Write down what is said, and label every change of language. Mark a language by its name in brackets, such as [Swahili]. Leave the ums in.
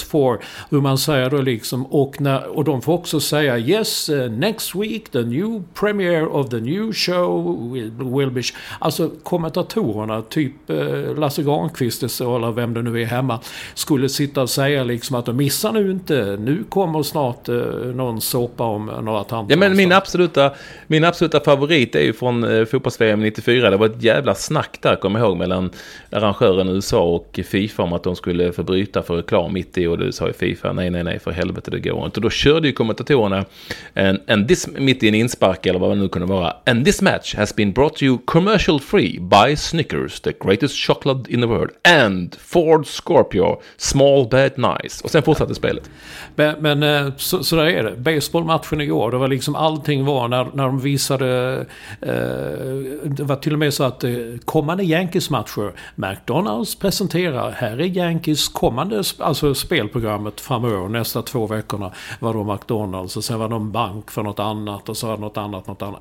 [Swedish] for hur man säger då liksom. Och, när, och de får också säga [English] yes, eh, next week the new premiere of the new show will, will be... [Swedish] sh-" Alltså kommentatorerna, typ eh, Lasse Granqvist eller vem det nu är hemma, skulle sitta och säga liksom att de missar nu inte, nu kommer snart eh, någon såpa om några tanter. Ja, men min någonstans." absoluta, min absoluta favorit är ju från eh, fotbolls-VM 94. Det var ett jävla snack där, kommer jag ihåg, mellan arrangören i USA och Fifa om att de skulle förbryta för reklam mitt i. Och du sa ju Fifa, nej, nej, nej, för helvete, det går inte. Och då körde ju kommentatorerna en, en this, mitt i en inspark, eller vad det nu kunde vara. [English] And this match has been brought to you commercial free by Snickers, the greatest chocolate in the world. And Ford Scorpio, small bad nice. [Swedish] Och sen fortsatte spelet. Men, men eh, så, så där är det. Baseballmatchen igår, det var liksom allting var när, när de visade... Eh, det var till och med så att eh, kommande Yankees-matcher, McDonalds presenterar, här är Yankees kommande, sp- alltså spelprogrammet framöver, nästa två veckorna var då McDonalds och sen var de bank för något annat och så var det något annat, något annat.